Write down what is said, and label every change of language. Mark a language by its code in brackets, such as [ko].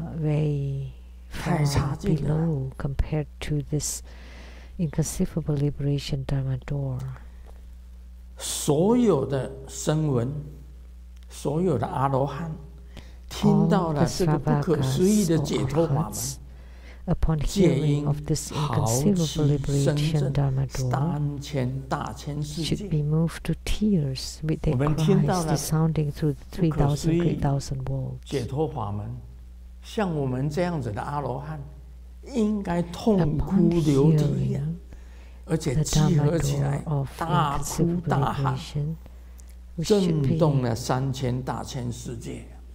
[en] we are very far below compared to this inconceivable liberation dharma door. [zh] 所有的声闻，所有的阿罗汉，听到了这个不可思议的解脱法门。 [en] Upon hearing of this inconceivable liberation dharma door, should be moved to tears with their cries resounding through the 3,000 worlds. [zh] 解脱法门，像我们这样子的阿罗汉，应该痛哭流涕呀，而且集合起来大哭大喊，震动了三千大千世界。